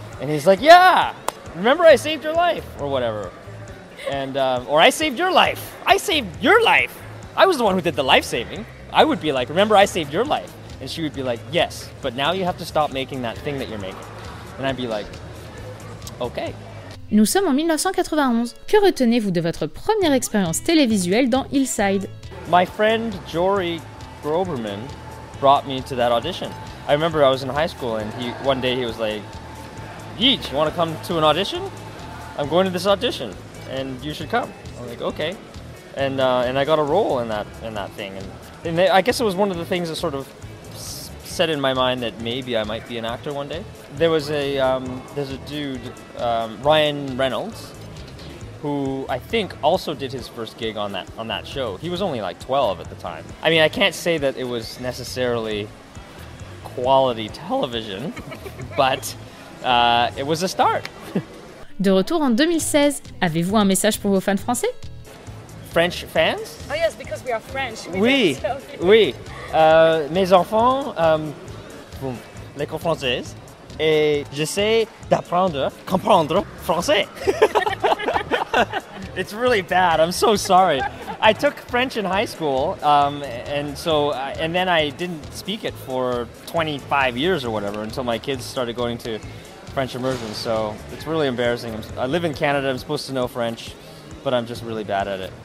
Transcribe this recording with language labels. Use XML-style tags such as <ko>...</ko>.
<en>And he's like, yeah, remember I saved your life or whatever. And or I saved your life. I saved your life. I was the one who did the life saving. I would be like, remember I saved your life. And she would be like, yes, but now you have to stop making that thing that you're making. And I'd be like, okay.</en> <fr>Nous sommes en 1991. Que retenez-vous de votre première expérience télévisuelle dans Hillside?</fr> <en>My friend Jory Groberman brought me to that audition. I remember I was in high school and one day he was like, Yee, you want to come to an audition? I'm going to this audition and you should come. I'm like, okay. And I got a role in that thing. And I guess it was one of the things that sort of set in my mind that maybe I might be an actor one day. There was a dude, Ryan Reynolds, who I think also did his first gig on that show. He was only like 12 at the time. I mean, I can't say that it was necessarily quality television, but it was a start.</en> <fr>De retour en 2016, avez-vous un message pour vos fans français?</fr> <en>French fans? Oh yes, because we are French.</en> <fr>Oui, oui. Mes enfants, l'école française, et j'essaie d'apprendre, comprendre français.</fr> <en>It's really bad, I'm so sorry. I took French in high school, and then I didn't speak it for 25 years or whatever until my kids started going to French immersion, so it's really embarrassing. I live in Canada, I'm supposed to know French, but I'm just really bad at it.</en>